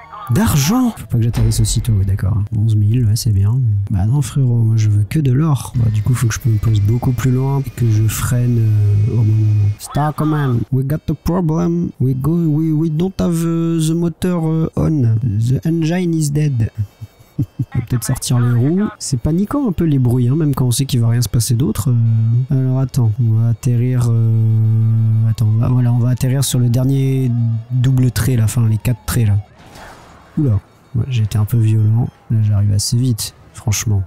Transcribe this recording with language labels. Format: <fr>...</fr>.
<fr>D'argent! Faut pas que j'atterrisse aussitôt, ouais, d'accord. 11 000, ouais, c'est bien. Bah non, frérot, moi je veux que de l'or. Bah, du coup, faut que je me pose beaucoup plus loin et que je freine au bon moment.</fr> <en>Star Command, we got a problem. We don't have the motor on. The engine is dead.</en> <fr>On va peut-être sortir les roues. C'est paniquant un peu les bruits, hein, même quand on sait qu'il va rien se passer d'autre. Alors attends, on va atterrir. Attends, on va atterrir sur le dernier double trait, là, enfin les quatre traits, là. Oula, ouais, j'ai été un peu violent. Là, j'arrive assez vite. franchement.</fr>